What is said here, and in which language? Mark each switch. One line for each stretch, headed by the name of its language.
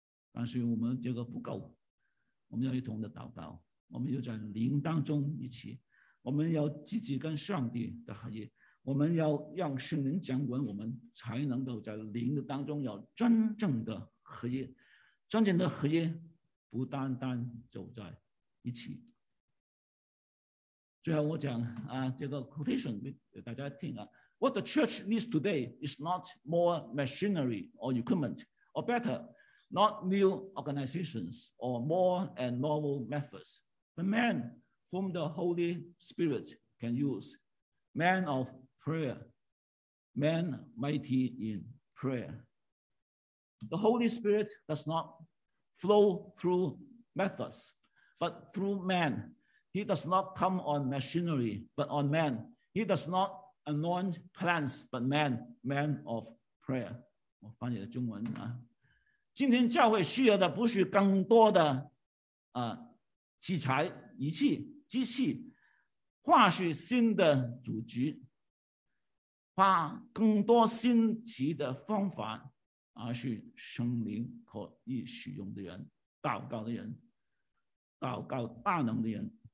Chinese: 但是我们这个不够，我们要一同的祷告，我们要在灵当中一起，我们要积极跟上帝的合一，我们要让圣灵掌管我们，才能够在灵的当中有真正的合一。真正的合一不单单走在一起。最后我讲这个 quotation 给大家听
English: What the church needs today is not more machinery or equipment, or better, not new organizations or more and novel methods, but men whom the Holy Spirit can use, men of prayer, men mighty in prayer. The Holy Spirit does not flow through methods, but through men. He does not come on machinery, but on man. He does not anoint plants, but man, man of prayer.
Chinese: 我翻译的中文啊，今天教会需要的不是更多的啊器材、仪器、机器，或是新的组织，花更多新奇的方法，而是圣灵可以使用的人，祷告的人，祷告大能的人。